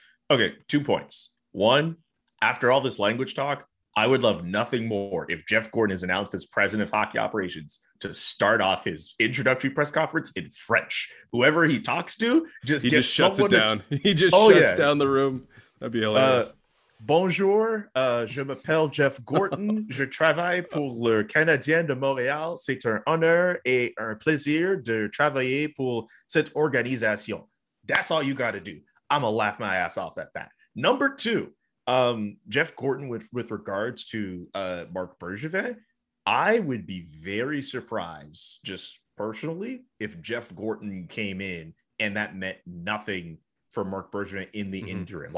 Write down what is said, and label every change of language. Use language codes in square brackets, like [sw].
[en] Okay, 2 points. One, after all this language talk, I would love nothing more if Jeff Gorton is announced as president of hockey operations to start off his introductory press conference in French. Whoever he talks to, he just shuts down the room. That'd be hilarious. [fr] Bonjour, je m'appelle Jeff Gorton. Je travaille pour le Canadien de Montréal. C'est un honneur et un plaisir de travailler pour cette organisation. [en] That's all you got to do. I'm going to laugh my ass off at that. Number two, Jeff Gorton, with regards to Marc Bergevin, I would be very surprised, just personally, if Jeff Gorton came in and that meant nothing for Marc Bergevin in the interim.